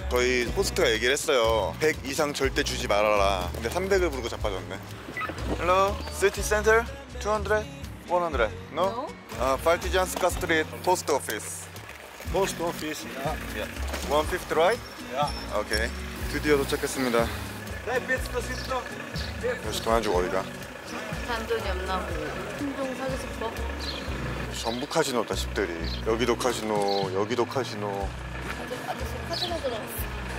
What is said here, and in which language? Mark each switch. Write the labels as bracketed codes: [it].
[ko] 저희 호스트가 얘기를 했어요. 100 이상 절대 주지 말아라. 근데 300을 부르고 자빠졌네. [en] Hello, city center? 200? 100? No? No? Partizanska Street, post office. Post office, yeah. 150, right? Yeah. [ko] Okay. 드디어 도착했습니다. 여기서 그만주고 어디가? 단돈이 없나 보고 품종 사고 싶어? 전부 카지노다 싶더리. 여기도 카지노, 여기도 카지노. 아저씨 카지노 들어왔어.